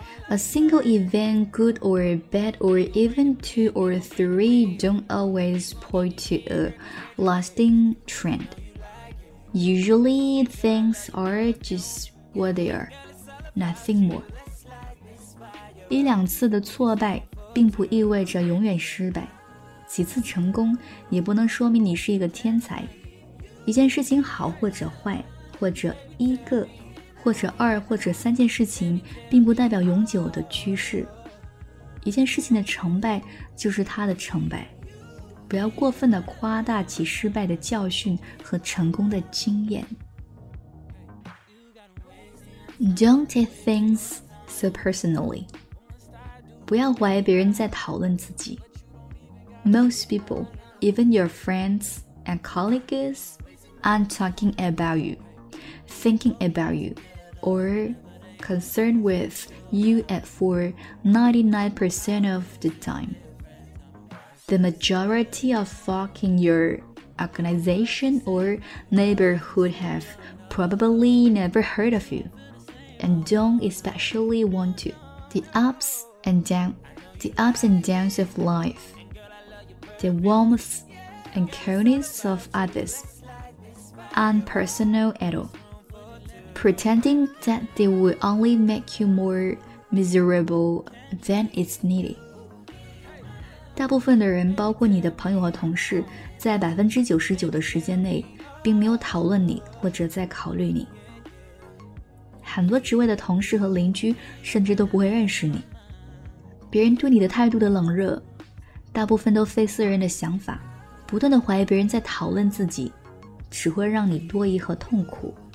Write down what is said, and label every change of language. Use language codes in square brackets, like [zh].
[en] A single event, good or bad, or even two or three don't always point to a lasting trend. Usually things are just what they are, nothing more. [zh] 一两次的挫败并不意味着永远失败，几次成功也不能说明你是一个天才。一件事情好或者坏，或者一个或者二或者三件事情，并不代表永久的趋势。一件事情的成败就是它的成败，不要过分地夸大其失败的教训和成功的经验。 [en] Don't take things so personally. [zh] 不要怀疑别人在讨论自己。 [en] Most people, even your friends and colleagues, aren't talking about you, thinking about you, or concerned with you at for 99% of the time. The majority of folk in your organization or neighborhood have probably never heard of you, and don't especially want to. The ups and downs of life, the warmth and kindness of others, aren't personal at all. Pretending that they will only make you more miserable than it's needed. [zh] 大部分的人，包括你的朋友和同事，在99%的时间内，并没有讨论你或者在考虑你。很多职位的同事和邻居，甚至都不会认识你。别人对你的态度的冷热，大部分都非自然的想法，不断的怀疑别人在讨论自己，只会让你多疑和痛苦。